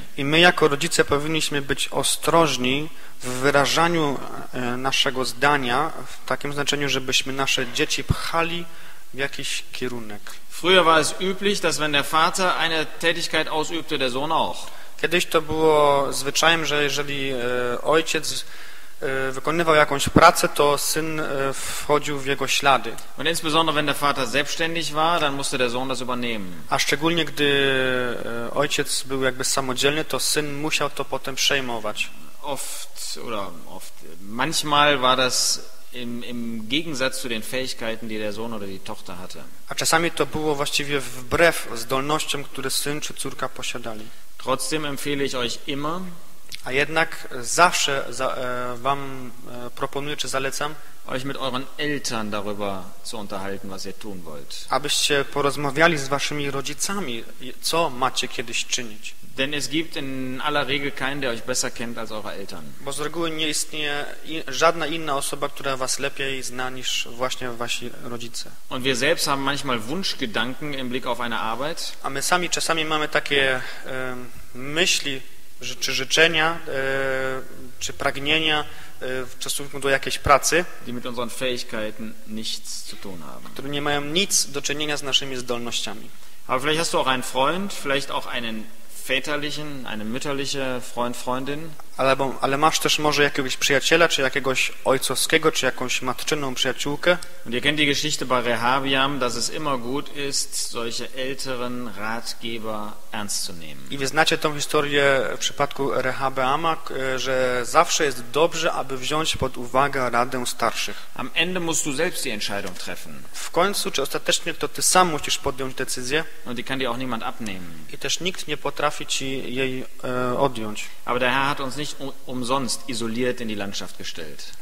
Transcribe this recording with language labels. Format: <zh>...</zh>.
<pl>I my jako rodzice powinniśmy być ostrożni w wyrażaniu naszego zdania w takim znaczeniu, żebyśmy nasze dzieci pchali w jakiś kierunek.</pl> <de>Früher war es üblich, dass wenn der Vater eine Tätigkeit ausübte, der Sohn auch.</de> <pl>Kiedyś to było zwyczajem, że jeżeli ojciec wykonywał jakąś pracę, to syn wchodził w jego ślady.</pl> <de>Und insbesondere wenn der Vater selbstständig war, dann musste der Sohn das übernehmen.</de> <pl>A szczególnie gdy ojciec był jakby samodzielny, to syn musiał to potem przejmować.</pl> <de>Oft manchmal war das im Gegensatz zu den Fähigkeiten, die der Sohn oder die Tochter hatte.</de> <pl>A czasami to było właściwie wbrew zdolnościom, które syn czy córka posiadali.</pl> <de>Trotzdem empfehle ich euch immer.</de> <pl>A jednak zawsze wam proponuję, czy zalecam,</pl> <de>euch mit euren Eltern darüber zu unterhalten, was ihr tun wollt.</de> <pl>Abyście porozmawiali z waszymi rodzicami, co macie kiedyś czynić.</pl> <de>Denn es gibt in aller Regel keinen, der euch besser kennt als eure Eltern.</de> <pl>Bo z reguły nie istnieje żadna inna osoba, która was lepiej zna niż właśnie wasi rodzice.</pl> <de>Und wir selbst haben manchmal Wunschgedanken im Blick auf eine Arbeit.</de> <pl>A my sami czasami mamy takie myśli, czy życzenia, czy pragnienia w stosunku do jakiejś pracy,</pl> <de>die mit unseren Fähigkeiten nichts zu tun haben.</de> <pl>Które nie mają nic do czynienia z naszymi zdolnościami.</pl> <de>Aber vielleicht hast du auch einen Freund, vielleicht auch einen väterlichen, eine mütterliche Freund, Freundin.</de> <pl>Ale masz też może jakiegoś przyjaciela, czy jakiegoś ojcowskiego, czy jakąś matczyną przyjaciółkę.</pl> <de>Und ihr kennt die Geschichte bei Rehabiam, dass es immer gut ist, solche älteren Ratgeber ernst zu nehmen.</de> <pl>I wy znacie tą historię w przypadku Rehabeama, że zawsze jest dobrze, aby wziąć pod uwagę radę starszych.</pl> <de>Am Ende musst du selbst die Entscheidung treffen.</de> <pl>W końcu, czy ostatecznie, to ty sam musisz podjąć decyzję.</pl> <de>Und die kann dir auch niemand abnehmen.</de> <pl>I też nikt nie potrafi ci jej odjąć.</pl> <de>Aber der Herr hat uns nicht umsonst isoliert in die Landschaft gestellt.</de>